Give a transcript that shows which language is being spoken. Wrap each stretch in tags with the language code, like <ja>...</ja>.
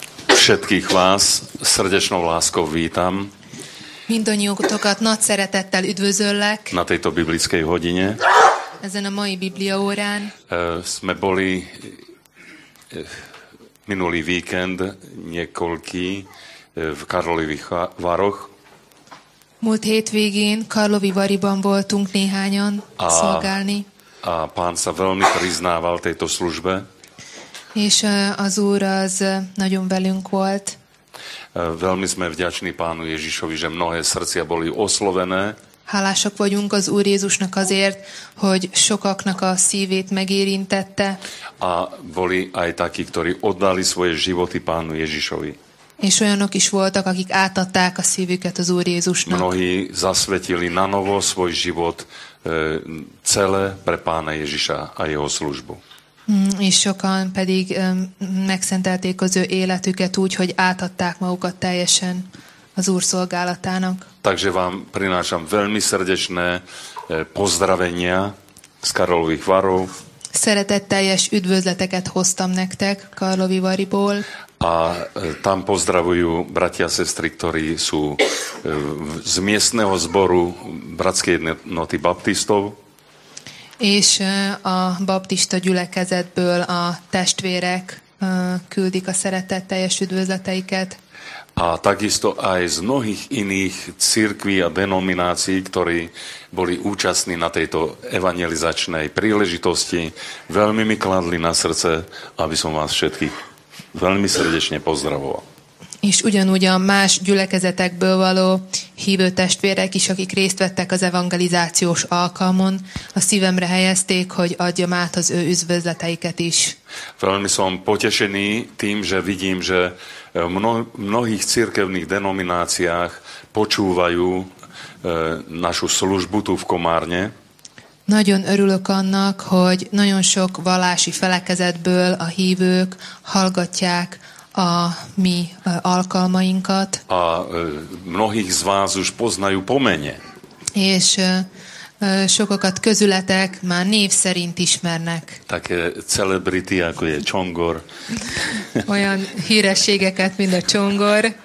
<sk>Všetkých vás srdečnou láskou vítam.</sk> <hu>Mindannyiótokat nagy szeretettel üdvözöllek.</hu> <sk>Na tejto biblickej hodine.</sk> <hu>Ezen a mai bibliaórán.</hu> <sk>Sme boli minulý víkend niekoľký v Karlových Varoch.</sk> <hu>Múlt hétvégén Karlovi Variban voltunk néhányan szolgálni.</hu> <sk>A pán sa veľmi priznával tejto službe.</sk> <hu>És az Úr az nagyon velünk volt.</hu> <sk>Veľmi sme vďační pánu Ježišovi, že mnohé srdcia boli oslovené.</sk> <hu>Hálások vagyunk az Úr Jézusnak azért, hogy sokaknak a szívét megérintette.</hu> <sk>A boli aj takí, ktorí oddali svoje životy pánu Ježišovi.</sk> <hu>És olyanok is voltak, akik átadták a szívüket az Úr Jézusnak.</hu> <sk>Mnohí zasvetili na novo svoj život celé pre pána Ježiša a jeho službu.</sk> <hu>És sokan pedig megszentelték az ő életüket úgy, hogy átadták magukat teljesen az Úr szolgálatának.</hu> <sk>Takže vám prinášam veľmi srdečné pozdravenia z Karlových Varov.</sk> <hu>Szeretetteljes üdvözleteket hoztam nektek Karlovi Variból.</hu> <sk>A tam pozdravujú bratia a sestry, ktorí sú z miestneho zboru Bratskej jednoty baptistov.</sk> <hu>És a baptista gyülekezetből a testvérek küldik a szeretetteljes üdvözleteiket.</hu> <sk>A takisto aj z mnohých iných cirkví a denominácií, ktorí boli účastní na tejto evangelizačnej príležitosti, veľmi mi kladli na srdce, aby som vás všetkých veľmi srdečne pozdravoval.</sk> <hu>És ugyanúgy a más gyülekezetekből való hívő testvérek is, akik részt vettek az evangelizációs alkalmon, a szívemre helyezték, hogy adjam át az ő üdvözleteiket is.</hu> <sk>Veľmi som potešený tým, že vidím, že v mnohých cirkevných denomináciách počúvajú našu službu tu v Komárne.</sk> <hu>Nagyon örülök annak, hogy nagyon sok vallási felekezetből a hívők hallgatják a mi alkalmainkat.</hu> <sk>A mnohých z vás už poznajú po mene.</sk> <hu>És sokakat közületek már név szerint ismernek.</hu> <sk>Také celebrity, ako je Csongor.</sk> <hu>Olyan hírességeket, mint a Csongor.</hu>